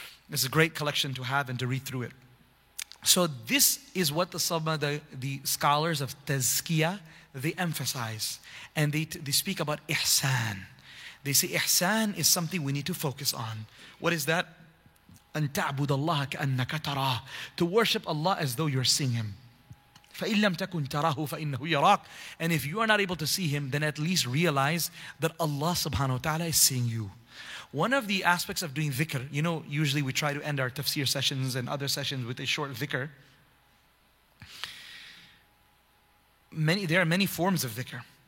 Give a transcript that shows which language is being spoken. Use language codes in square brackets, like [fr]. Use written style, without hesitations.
[en] It's a great collection to have and to read through it. So this is what the scholars of Tazkiyah, they emphasize. And they speak about Ihsan. They say ihsan is something we need to focus on. What is that? [ar] أن تعبد الله كأنك تراه. [en] To worship Allah as though you're seeing Him. [ar] فإن لم تكن تراه فإنه يراك. [en] And if you are not able to see Him, then at least realize that Allah subhanahu wa ta'ala is seeing you. One of the aspects of doing dhikr, you know, usually we try to end our tafsir sessions and other sessions with a short dhikr. There are many forms of dhikr.